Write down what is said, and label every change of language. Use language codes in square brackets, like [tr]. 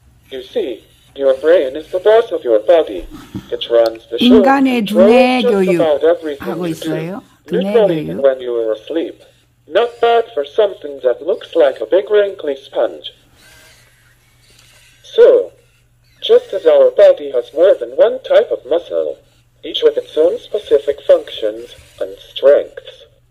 [en] You see, your brain is the boss of your body. It runs the show. [ko] 인간의 두뇌 교육 하고 있어요. 두뇌 교육. [en] When you are asleep. Not bad for something that looks like a big wrinkly sponge. So, just as our body has more than one type of muscle, each with its own specific functions and strengths.